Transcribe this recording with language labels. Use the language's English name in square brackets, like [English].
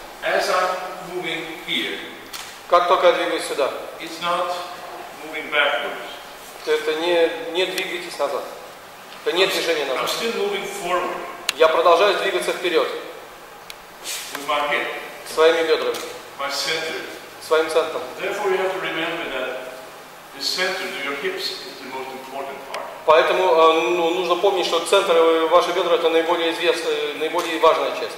[English] As I'm moving here. [Russian] Как только я двигаюсь сюда. [English] It's not moving backwards. [Russian] Это не двигайтесь назад. Это нет движения назад. [English] I'm still moving forward. [Russian] Я продолжаю двигаться вперед. [English] With my head. [Russian] Своими бедрами. [English] My center. [Russian] Своим центром. [English] Therefore, you have to remember that the center to your hips is the most important part. [Russian] Поэтому нужно помнить, что центр ваши бедра это наиболее известная, наиболее важная часть.